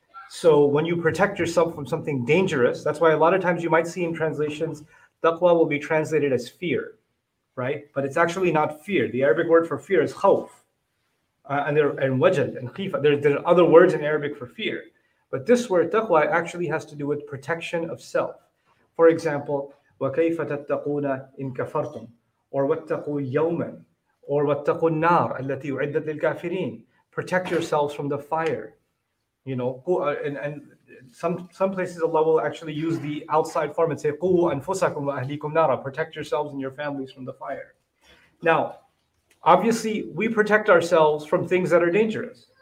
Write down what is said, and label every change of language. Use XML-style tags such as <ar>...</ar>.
<en>So when you protect yourself from something dangerous, that's why a lot of times you might see in translations, taqwa will be translated as fear, right? But it's actually not fear. The Arabic word for fear is khawf. And wajal and khifa. There are other words in Arabic for fear. But this word, taqwa, actually has to do with protection of self.</en> <ar>For example, وَكَيْفَ تَتَّقُونَ إِن كَفَرْتُمْ or وَاتَّقُوا يَوْمًا or وَاتَّقُوا النَّارَ الَّتِي أُعِدَّتْ لِلْكَافِرِينَ.</ar> <en>Protect yourselves from the fire. You know, and some places Allah will actually use the outside form and say,</en> <ar>قُوا أَنفُسَكُمْ وَأَهْلِيكُمْ نَارَ.</ar> <en>Protect yourselves and your families from the fire. Now, obviously, we protect ourselves from things that are dangerous.</en>